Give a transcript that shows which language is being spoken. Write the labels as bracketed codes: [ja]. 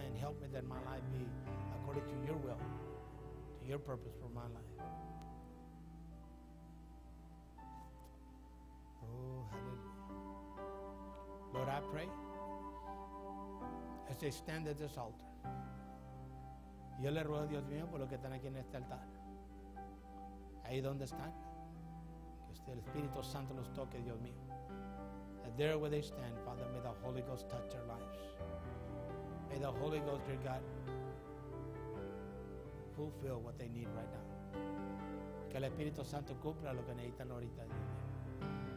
[en] And help me that my life be according to your will, to your purpose for my life. Lord, I pray as they stand at this altar. [es] Yo le ruego a Dios mío por los que están aquí en este altar. Ahí donde están. Que esté el Espíritu Santo los toque, Dios mío. [en] And there where they stand, Father, may the Holy Ghost touch their lives. May the Holy Ghost, dear God, fulfill what they need right now. [es] Que el Espíritu Santo cumpla lo que necesitan ahorita, Dios mío.